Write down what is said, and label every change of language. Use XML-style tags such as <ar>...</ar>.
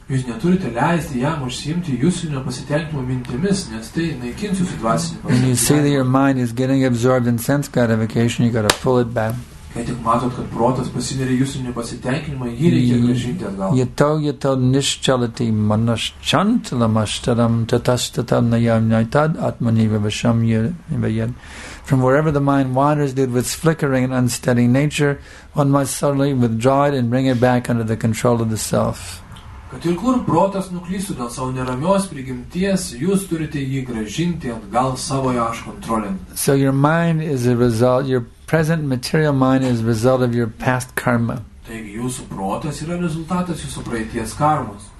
<lt>Jūs neturite leisti jam užsiimti jūsų nepasitenkimo mintimis, nes tai naikins jūsų dvasinį pasitenkimą.</lt> <en>When you see that your mind is getting absorbed in sense gratification, you got to pull it back.</en> <lt>Kai tik matot, kad protas pasineria jūsų nepasitenkinimą, jį reikia grįžinti atgal.</lt> <sa>Yato nishchalati manaschantalamashtaram tatastatam nayamnaitad atmanivavasham yavayad.</sa> <en>From wherever the mind wanders, due to its flickering and unsteady nature, one must suddenly withdraw it and bring it back under the control of the self.</en> <lt>Kad ir kur protas nuklystų dėl savo neramios prigimties, jūs turite jį grąžinti atgal savojo aš kontrolėn.</lt> <en>So your mind is a result, your present material mind is a result of your past karma.</en> <lt>Taigi jūsų protas yra rezultatas jūsų praeities karmos.</lt>